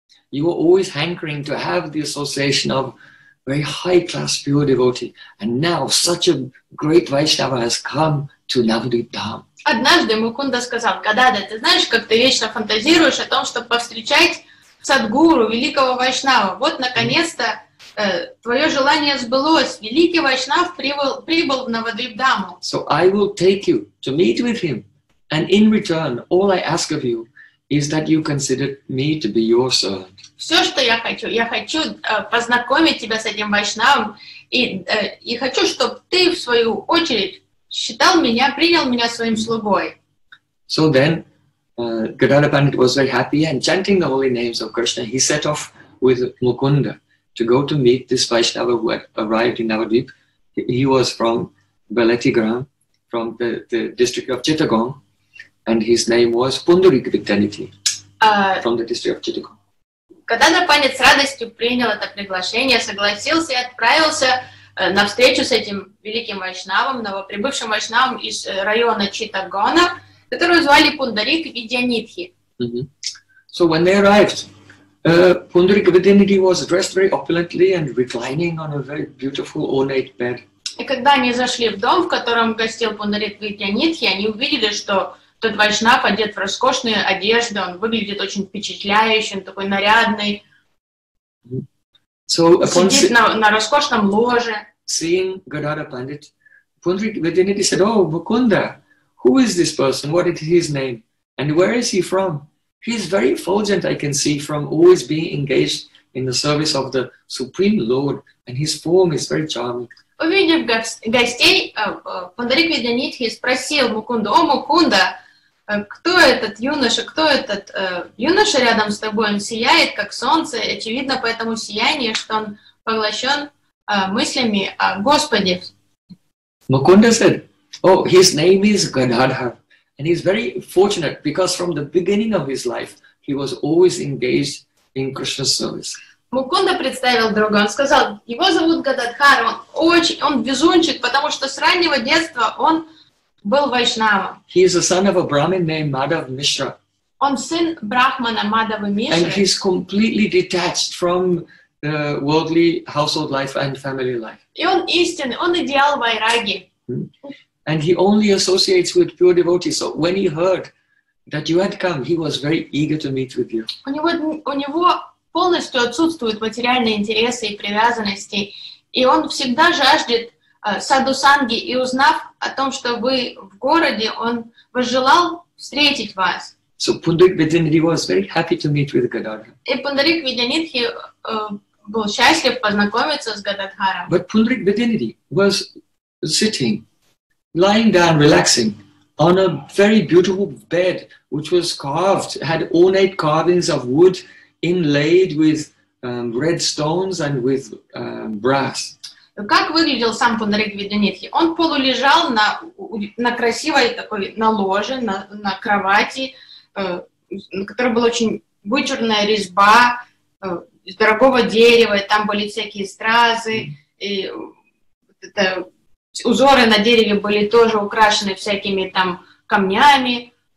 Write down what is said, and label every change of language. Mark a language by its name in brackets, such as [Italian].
[English] You were always hankering to have the association of very high-class pure devotee, and now such a great Vaishnava has come to Navadvip Dham." [Russian] Однажды Мукунда сказал, "Gadadhara, ты знаешь, как ты вечно фантазируешь о том, чтобы повстречать садхгуру, великого вайшнава. Вот, наконец-то, твое желание сбылось. Великий вайшнав прибыл в Навадвипдаму. [English] So I will take you to meet with him. And in return, all I ask of you is that you consider me to be your servant." [Russian] Все, что я хочу познакомить тебя с этим вайшнавом. И хочу, чтобы ты, в свою очередь, считал меня, принял меня своим слугой. [English] So then, Gadadhara Pandit was very happy, and chanting the holy names of Krishna, he set off with Mukunda to go to meet this Vaishnava who had arrived in Navadvip. He was from Beletigram, from the district of Chittagong, and his name was Pundarik Vikraditi, from the district of Chittagong. [Russian] Gadadhara Pandit с радостью принял это приглашение, согласился и отправился на встречу с этим великим Вайшнавом, новоприбывшим Вайшнавом из района Читтагонга, которую звали Пундарик Видьянитхи. Mm-hmm. [English] So when they arrived, Пундарик Видьянитхи was dressed very opulently and reclining on a very beautiful ornate bed. [Russian] И когда они зашли в дом, в котором гостил Пундарик Видьянитхи, они увидели, что тот вайшнав одет в роскошные одежды, он выглядит очень впечатляющим, такой нарядный. [English] Mm-hmm. So upon [Russian] сидит на роскошном ложе. [English] Seeing Gadadhara Pandit, Пундарик Видьянитхи said, "Oh, Mukunda, who is this person? What is his name? And where is he from? He is very effulgent, I can see, from always being engaged in the service of the Supreme Lord, and his form is very charming." [Russian] Увидев гостей, Пундарик Видьянитхи спросил Мукунду: "О, Мукунда, кто этот юноша? Кто этот юноша рядом с тобой? Он сияет, как солнце, очевидно по этому сиянию, что он поглощен мыслями о Господе." [English] Mukunda said, "Oh, his name is Gadadhara, and he's very fortunate because from the beginning of his life, he was always engaged in Krishna's service." [Russian] Mukunda представил друга, он сказал, его зовут Гададхара, он везунчик, потому что с раннего детства он был вайшнава. [English] He is a son of a Brahmin named Madhav Mishra. [Russian] Он сын Брахмана Мадхава Мишры. [English] And he's completely detached from the worldly household life and family life. [Russian] И он истинный, он идеал вайраги. [English] And he only associates with pure devotees. So when he heard that you had come, he was very eager to meet with you. [Russian] У него полностью отсутствуют материальные интересы и привязанности, и он всегда жаждет садусанги. И узнав о том, что вы в городе, он возжелал встретить вас. [English] So Pundarik Vidyanidhi was very happy to meet with Gadadhara. [Russian] И Пундарик Видьянитхи был счастлив познакомиться с Гададхаром. [English] But Pundarik Vidyanidhi was sitting, lying down, relaxing, on a very beautiful bed, which was carved, had ornate carvings of wood inlaid with red stones and with brass. [Russian] Как выглядел сам Пундарик Видьянитхи? Он полулежал на красивой такой на ложе, на кровати, на которой была очень вычурная резьба из дорогого дерева, и там были всякие стразы, и это узоры на дереве были тоже украшены всякими там камнями.